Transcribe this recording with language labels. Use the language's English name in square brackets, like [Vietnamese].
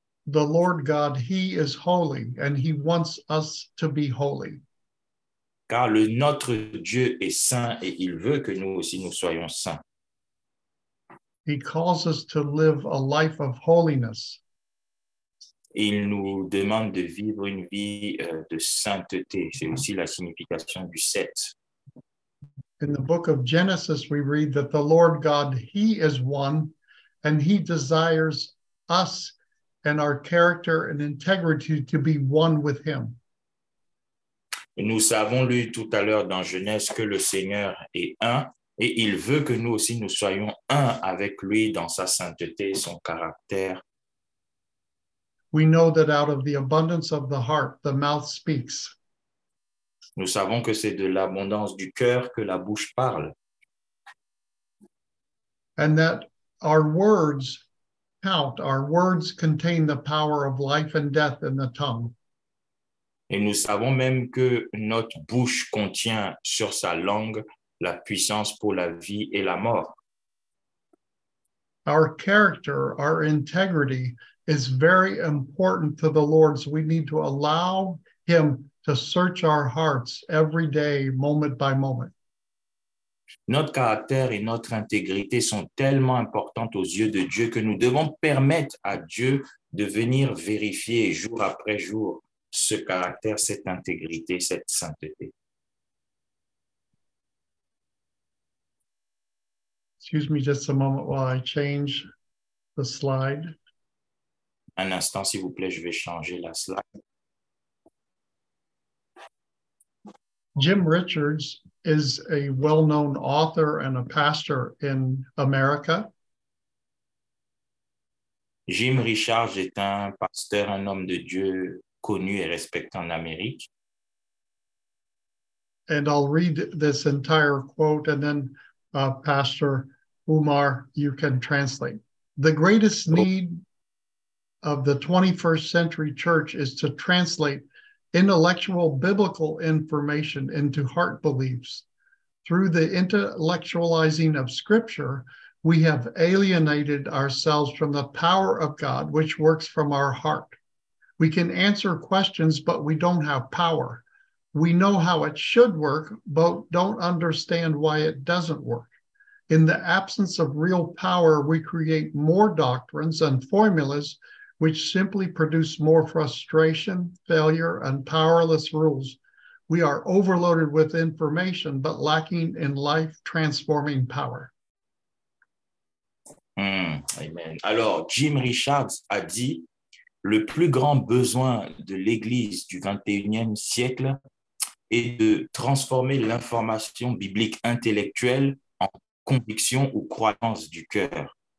[English] The Lord God, he is holy and he wants us to be holy. [French] Car le notre Dieu est saint et il veut que nous aussi nous soyons saints. [English] He calls us to live a life of holiness. [French] Il nous demande de vivre une vie de sainteté. C'est aussi la signification du 7. [English] In the book of Genesis, we read that the Lord God, He is one, and He desires us and our character and integrity to be one with Him. [French] Nous avons lu tout à l'heure dans Genèse que le Seigneur est un, et il veut que nous aussi nous soyons un avec lui dans sa sainteté, son caractère. [English] We know that out of the abundance of the heart, the mouth speaks. [French] Nous savons que c'est de l'abondance du cœur que la bouche parle. [English] And that our words count. Our words contain the power of life and death in the tongue. [French] Et nous savons même que notre bouche contient sur sa langue la puissance pour la vie et la mort. [English] Our character, our integrity is very important to the Lord. So we need to allow Him to search our hearts every day, moment by moment. [French] Notre caractère et notre intégrité sont tellement importantes aux yeux de Dieu que nous devons permettre à Dieu de venir vérifier jour après jour ce caractère, cette intégrité, cette sainteté. [English] Excuse me just a moment while I change the slide. [French] Un instant, s'il vous plaît, je vais changer la slide. [English] Jim Richards is a well-known author and a pastor in America. [French] Jim Richards est un pasteur, un homme de Dieu connu et respecté en Amérique. [English] And I'll read this entire quote and then Pastor Umar, you can translate. The greatest need of the 21st century church is to translate intellectual biblical information into heart beliefs. Through the intellectualizing of scripture, we have alienated ourselves from the power of God, which works from our heart. We can answer questions, but we don't have power. We know how it should work, but don't understand why it doesn't work. In the absence of real power, we create more doctrines and formulas which simply produce more frustration, failure, and powerless rules. We are overloaded with information, but lacking in life-transforming power. Amen. [French] Alors, Jim Richards a dit, le plus grand besoin de l'Église du 21e siècle est de transformer l'information biblique intellectuelle en conviction ou croyance du cœur.